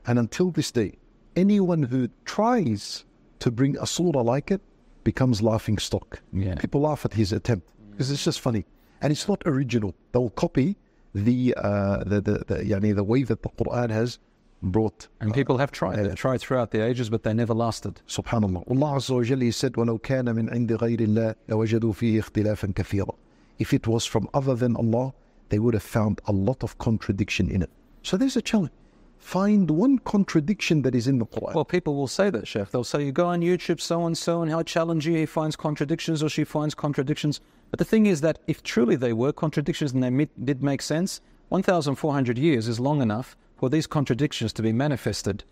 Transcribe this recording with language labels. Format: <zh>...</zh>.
<en>And until this day, anyone who tries to bring a surah like it becomes laughing stock. Yeah. People laugh at his attempt because it's just funny. And it's not original. They'll copy the way that the Quran has brought. And people have tried. They've tried throughout the ages, but they never lasted. SubhanAllah. Allah Azza wa Jalla said,</en> <ar>وَلَوْ كَانَ مِنْ عِنْدِ غَيْرِ اللَّهِ لَوَجَدُوا فِيهِ اخْتِلَافًا كَثِيرًا.</ar> <en>If it was from other than Allah, they would have found a lot of contradiction in it. So there's a challenge. Find one contradiction that is in the Quran. Well, people will say that, Sheikh. They'll say, you go on YouTube, so-and-so, and how challenge you, he finds contradictions or she finds contradictions. But the thing is that if truly they were contradictions and they did make sense, 1,400 years is long enough for these contradictions to be manifested,</en>